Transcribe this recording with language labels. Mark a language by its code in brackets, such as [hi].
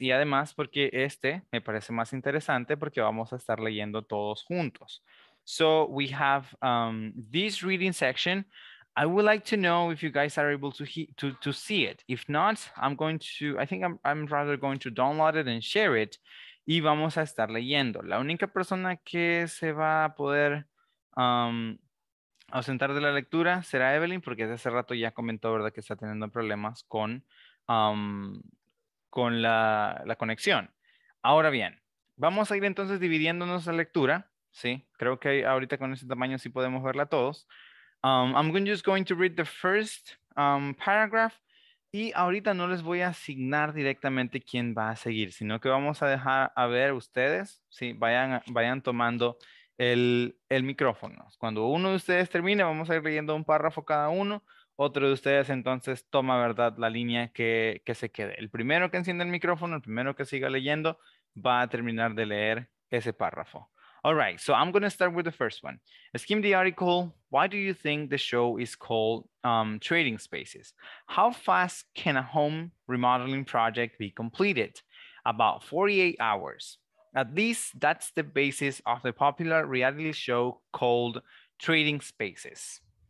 [es] Y además porque este me parece más interesante porque vamos a estar leyendo todos juntos. [en] So we have this reading section. I would like to know if you guys are able to see it. If not, I'm rather going to download it and share it. [es] Y vamos a estar leyendo. La única persona que se va a poder ausentar de la lectura será Evelyn, porque desde hace rato ya comentó, ¿verdad?, que está teniendo problemas con la conexión. Ahora bien, vamos a ir entonces dividiéndonos la lectura. Sí, creo que ahorita con ese tamaño sí podemos verla todos. [en] I'm just going to read the first paragraph [es] y ahorita no les voy a asignar directamente quién va a seguir, sino que vamos a dejar a ver ustedes, sí, vayan tomando el micrófono. Cuando uno de ustedes termine, vamos a ir leyendo un párrafo cada uno, otro de ustedes entonces toma, ¿verdad?, la línea que se quede. El primero que enciende el micrófono, el primero que siga leyendo, va a terminar de leer ese párrafo. [en] All right, so I'm going to start with the first one. Skim the article. Why do you think the show is called Trading Spaces? How fast can a home remodeling project be completed? About 48 hours. At least that's the basis of the popular reality show called Trading Spaces.